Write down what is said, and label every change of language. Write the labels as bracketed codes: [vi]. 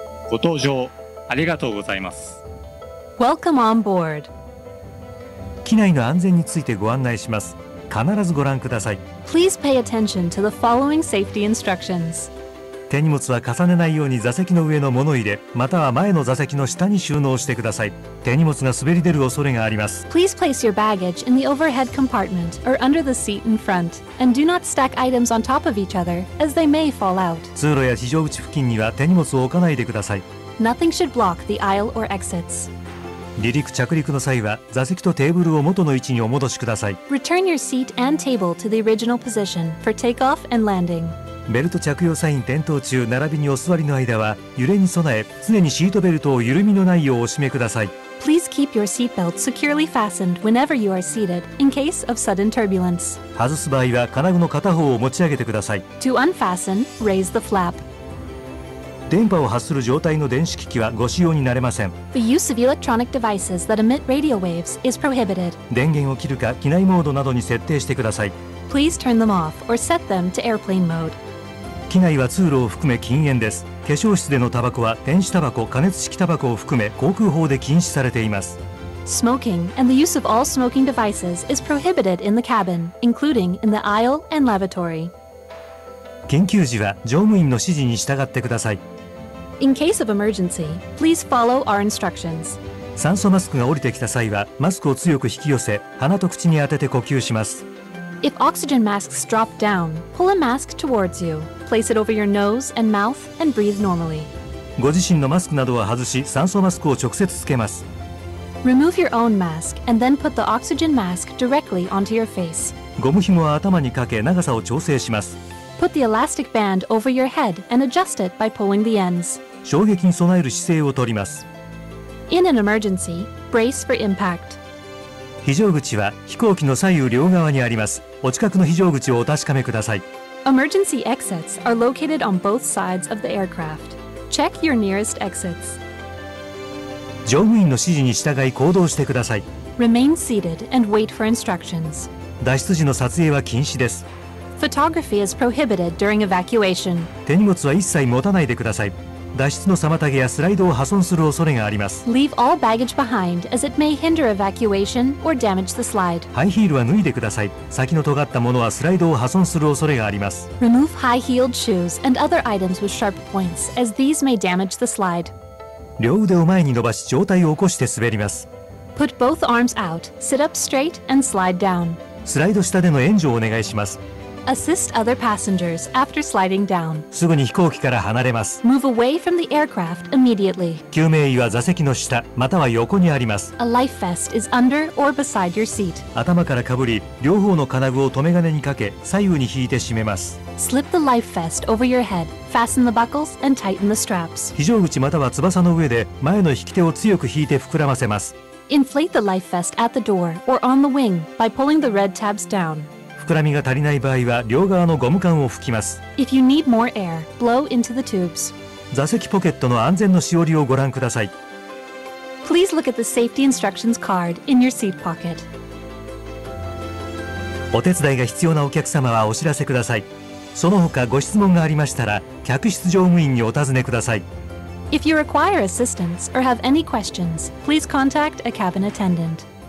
[ja] ご搭乗ありがとうございます。 [en] Welcome on board. [ja] 機内の安全についてご案内します。必ずご覧ください。 [en] Please pay attention to the following safety instructions. [ja] 手荷物は重ねないように座席の上の物入れ、または前の座席の下に収納してください。手荷物が滑り出る恐れがあります。 [en] Please place your baggage in the overhead compartment or under the seat in front, and do not stack items on top of each other, as they may fall out. [ja] 通路や非常口付近には手荷物を置かないでください。 [en] Nothing should block the aisle or exits. [ja] 離陸着陸の際は座席とテーブルを元の位置にお戻しください。 [en] Return your seat and table to the original position for takeoff and landing. [ja] ベルト着用サイン点灯中並びにお座りの間は揺れに備え常にシートベルトを緩みのないようお締めください。 [en] Please keep your seat belt securely fastened whenever you are seated in case of sudden turbulence. [ja] 外す場合は金具の片方を持ち上げてください。 [en] To unfasten, raise the flap. [ja] 電波を発する状態の電子機器はご使用になれません。 [en] The use of electronic devices that emit radio waves is prohibited. [ja] 電源を切るか機内モードなどに設定してください。 [en] Please turn them off or set them to airplane mode. [ja] 機内は通路を含め禁煙です。化粧室でのタバコは電子タバコ、加熱式タバコを含め航空法で禁止されています。 [en] Smoking and the use of all smoking devices is prohibited in the cabin, including in the aisle and lavatory. [ja] 緊急時は乗務員の指示に従ってください。 [en] In case of emergency, please follow our instructions. [ja] 酸素マスクが降りてきた際は、マスクを強く引き寄せ、鼻と口に当てて呼吸します。 [en] If oxygen masks drop down, pull a mask towards you. Place it over your nose and mouth and breathe normally. [ja] ご自身のマスクなどは外し、酸素マスクを直接つけます。 [en] Remove your own mask and then put the oxygen mask directly onto your face. [ja] ゴム紐は頭にかけ、長さを調整します。 [en] Put the elastic band over your head and adjust it by pulling the ends. [ja] 衝撃に備える姿勢をとります。 [en] In an emergency, brace for impact. [ja] 非常口は飛行機の左右両側にあります。お近くの非常口をお確かめください。 [en] Emergency exits are located on both sides of the aircraft. Check your nearest exits. [ja] 乗務員の指示に従い行動してください。 [en] Remain seated and wait for instructions. [ja] 脱出時の撮影は禁止です。 [en] Photography is prohibited during evacuation. [ja] 手荷物は一切持たないでください。脱出の妨げやスライドを破損する恐れがあります。 [en] Leave all baggage behind as it may hinder evacuation or damage the slide. [ja] ハイヒールは脱いでください。先の尖ったものはスライドを破損する恐れがあります。 [en] Remove high-heeled shoes and other items with sharp points as these may damage the slide. [ja] 両腕を前に伸ばし上体を起こして滑ります。 [en] Put both arms out, sit up straight and slide down. [ja] スライド下での援助をお願いします。 [en] Assist other passengers after sliding down. [ja] すぐに飛行機から離れます。 [en] Move away from the aircraft immediately. [ja] 救命衣は座席の下または横にあります。 [en] A life vest is under or beside your seat. [ja] 頭からかぶり、両方の金具を留め金にかけ、左右に引いて締めます。 [en] Slip the life vest over your head. Fasten the buckles and tighten the straps. [ja] 非常口または翼の上で前の引き手を強く引いて膨らませます。 [en] Inflate the life vest at the door or on the wing by pulling the red tabs down. [ja] 膨らみが足りない場合は両側のゴム管を吹きます。 [en] If you need more air, blow into the tubes. [ja] 座席ポケットの安全のしおりをご覧ください。 [en] Please look at the safety instructions card in your seat pocket. [ja] お手伝いが必要なお客様はお知らせください。その他ご質問がありましたら客室乗務員にお尋ねください。 [en] If you require assistance or have any questions, please contact a cabin attendant.